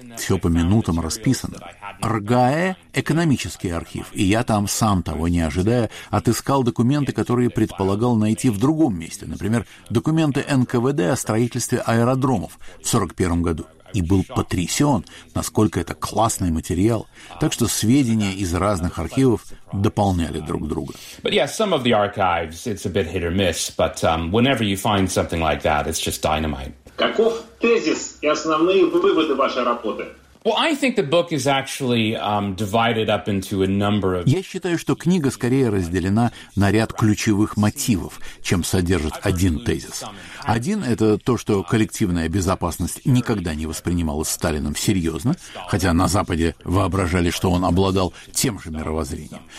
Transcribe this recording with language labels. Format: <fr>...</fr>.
<ru>Все по минутам расписано. РГАЭ – экономический архив, и я там, сам того не ожидая, отыскал документы, которые предполагал найти в другом месте. Например, документы НКВД о строительстве аэродромов в 1941 году. И был потрясен, насколько это классный материал. Так что сведения из разных архивов дополняли друг друга.</ru> <en>But yeah, some of the archives, it's a bit hit or miss, but whenever you find something like that, it's just dynamite.</en> <ru>Каков тезис и основные выводы вашей работы? Я считаю, что книга скорее разделена на ряд ключевых мотивов, чем содержит один тезис. Один – это то, что коллективная безопасность никогда не воспринималась Сталином серьезно, хотя на Западе воображали, что он обладал тем же мировоззрением.</ru>